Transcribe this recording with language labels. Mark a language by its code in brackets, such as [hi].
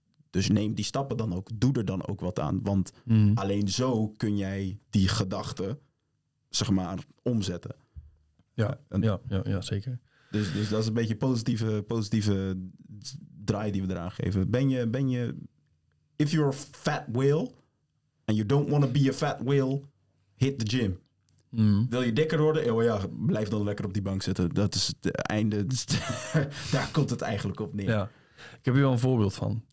[nl] Dus neem die stappen dan ook. Doe er dan ook wat aan. Want alleen zo kun jij die gedachten, zeg maar, omzetten. Ja, zeker. Dus dat is een beetje positieve draai die we eraan geven. Ben je... [en] If you're a fat whale and you don't want to be a fat whale, hit the gym. [nl] Wil je dikker worden? Oh ja, blijf dan lekker op die bank zitten. Dat is het einde. Daar komt het eigenlijk op neer. Ja. Ik heb hier wel een voorbeeld van.